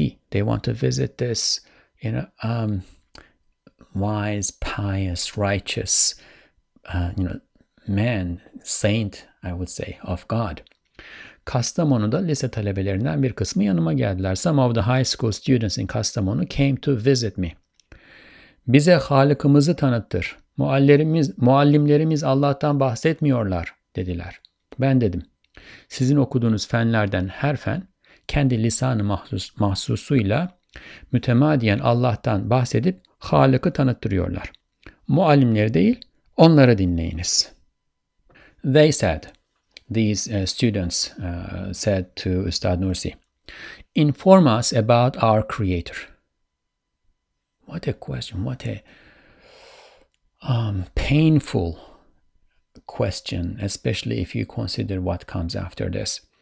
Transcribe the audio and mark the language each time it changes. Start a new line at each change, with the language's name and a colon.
English: They want to visit this, you know, wise, pious, righteous, you know, man, saint, I would say, of God.
Turkish: Kastamonu'da lise talebelerinden bir kısmı yanıma geldiler.
English: Some of the high school students in Kastamonu came to visit me.
Turkish: Bize Halık'ımızı tanıttır. Muallimlerimiz Allah'tan bahsetmiyorlar, dediler. Ben dedim, sizin okuduğunuz fenlerden her fen, kendi lisan-ı mahsusuyla mütemadiyen Allah'tan bahsedip Halık'ı tanıttırıyorlar. Muallimleri değil, onları dinleyiniz.
English: They said, these students said to Üstad Nursi, inform us about our creator. What a question, what a painful question, especially if you consider what comes after this.